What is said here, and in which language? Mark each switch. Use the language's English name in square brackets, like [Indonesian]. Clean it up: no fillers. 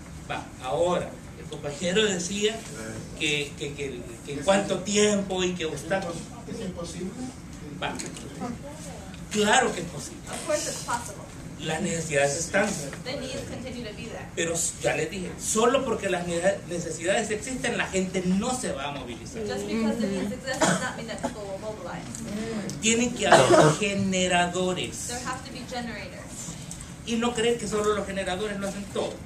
[Spanish] Va, ahora, el compañero decía que cuánto tiempo y qué obstáculos. ¿Es imposible? Va. Claro que es posible. [English] Of course it's possible. [Spanish] Las necesidades están. [English] The needs continue to be there. [Spanish] Pero ya les dije, solo porque las necesidades existen, la gente no se va a movilizar. [English] Just because the needs exist does not mean that people will mobilize. [Spanish] Tienen que haber generadores. [English] There have to be generators. [Spanish] Y no creen que solo los generadores lo hacen todo.